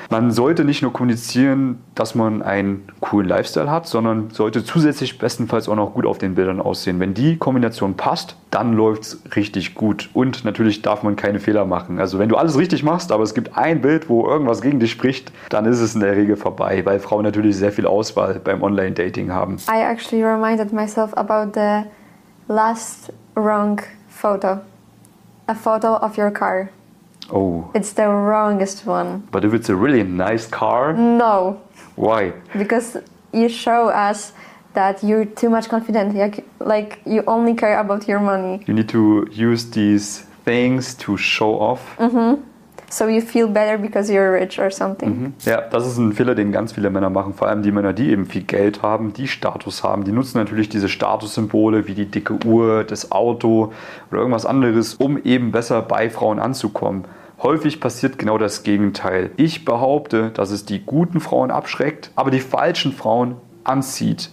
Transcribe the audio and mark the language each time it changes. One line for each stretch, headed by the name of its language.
German: Man sollte nicht nur kommunizieren, dass man einen coolen Lifestyle hat, sondern sollte zusätzlich bestenfalls auch noch gut auf den Bildern aussehen. Wenn die Kombination passt, dann läuft's richtig gut. Und natürlich darf man keine Fehler machen. Also wenn du alles richtig machst, aber es gibt ein Bild, wo irgendwas gegen dich spricht, dann ist es in der Regel vorbei, weil Frauen natürlich sehr viel Auswahl beim Online-Dating haben.
English: I actually reminded myself about the last wrong photo. A photo of your car. Oh. It's the wrongest one. But if it's a really nice car? No. Why? Because you show us that you're too much confident. Like, you only care about your money. You need to use these things to show off. Mm-hmm. So you feel better because you're rich or something. Mm-hmm.
German: Ja, das ist ein Fehler, den ganz viele Männer machen. Vor allem die Männer, die eben viel Geld haben, die Status haben. Die nutzen natürlich diese Statussymbole wie die dicke Uhr, das Auto oder irgendwas anderes, um eben besser bei Frauen anzukommen. Häufig passiert genau das Gegenteil. Ich behaupte, dass es die guten Frauen abschreckt, aber die falschen Frauen anzieht.